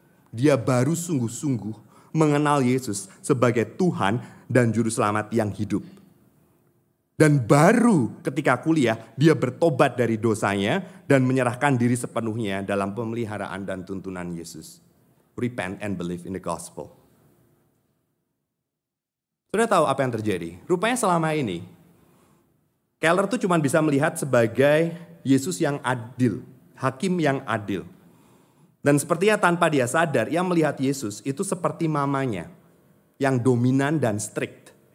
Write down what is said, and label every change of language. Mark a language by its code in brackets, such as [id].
[id] Dia baru sungguh-sungguh mengenal Yesus sebagai Tuhan dan Juru Selamat yang hidup. Dan baru ketika kuliah, dia bertobat dari dosanya dan menyerahkan diri sepenuhnya dalam pemeliharaan dan tuntunan Yesus. [en] Repent and believe in the gospel. [id] Sudah tahu apa yang terjadi? Rupanya selama ini, Keller tuh cuma bisa melihat sebagai Yesus yang adil, hakim yang adil. Dan sepertinya tanpa dia sadar, ia melihat Yesus itu seperti mamanya yang dominan dan strict.